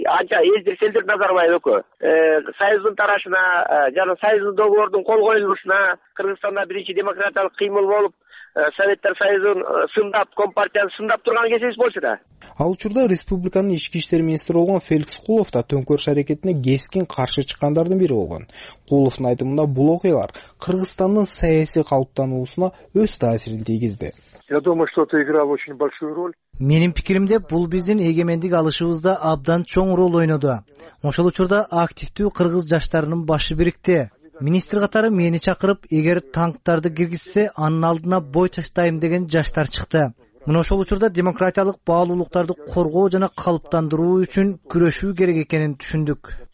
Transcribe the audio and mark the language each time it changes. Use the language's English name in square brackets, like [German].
[Kyrgyz] Анча элдир Назарбаев экөө союздун тарашына жана союздун долбоордун кол коюлушуна, Кыргызстанда биринчи демократиялык кыймыл болуп Советтер Союзун сындап, компартияны сындап турган кезибиз болчу да. Ал учурда республиканын ички иштер министри болгон Феликс Кулов да төңкөрүш аракетине кескин каршы чыккандардын бири болгон. Кулловдун айтымында бул окуялар Кыргызстандын саясий калыптануусуна өз таасирин тийгизди. [Russian] Я думаю, что это играло очень большую роль. [Kyrgyz] Менин пикиримде бул биздин эгемендик алышыбызда абдан чоң роль ойноду. Ошол учурда активдүү кыргыз жаштарынын башы бирикти. Министр катары мени чакырып, эгер танктарды киргизсе, анын алдына бой таштайм деген жаштар чыкты. Мына ошол учурда демократиялык баалуулуктарды коргоо жана калыптандыруу үчүн күрөшүү керек экенин түшүндүк.